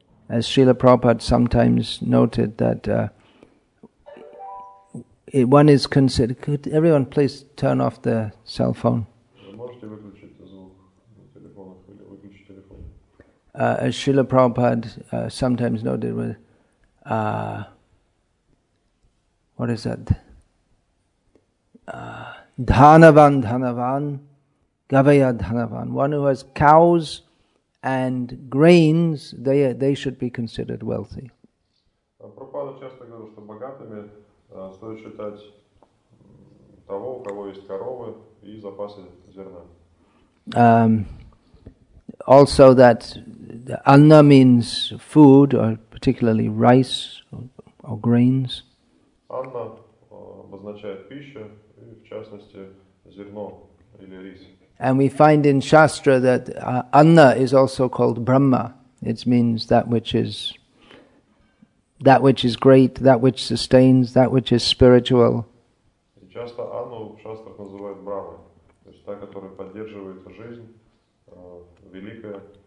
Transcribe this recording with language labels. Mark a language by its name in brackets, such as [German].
[English] As Srila Prabhupada sometimes noted that one is considered. Could everyone please turn off the cell phone? [Russian] Можете выключить звук телефона или выключить телефон. [English] As Srila Prabhupada sometimes noted with. What is that? Dhanavan, dhanavan, gavaya, dhanavan. One who has cows and grains, they should be considered wealthy. [Russian] Prabhupada часто говорил, что богатыми стоит считать того, у кого есть коровы и запасы зерна. [English] Also that anna means food, or particularly rice or grains. [Russian] Анна обозначает пищу, в частности зерно или рис. [English] And we find in Shastra that Anna is also called Brahma. It means that which is great, that which sustains, that which is spiritual. [Russian] И часто Анну в Шастрах называют Брахмой, то есть та, которая поддерживает жизнь, великая.